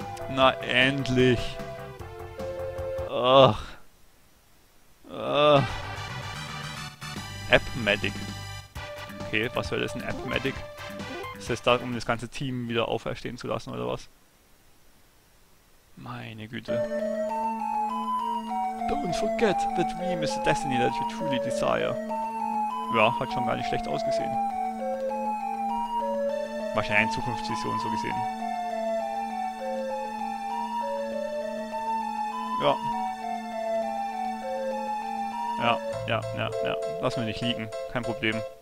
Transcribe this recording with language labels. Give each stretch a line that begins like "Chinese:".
German: Na endlich! Ugh. Ugh. App Medic. Okay, was soll das, ein App Medic? Ist das da, um das ganze Team wieder auferstehen zu lassen oder was? Meine Güte.
English: Don't forget, the dream is the destiny that you truly desire.
German: Ja, hat schon gar nicht schlecht ausgesehen. Wahrscheinlich eine Zukunftsvision so gesehen. Ja. Ja, ja, ja, ja. Lass mich nicht liegen. Kein Problem.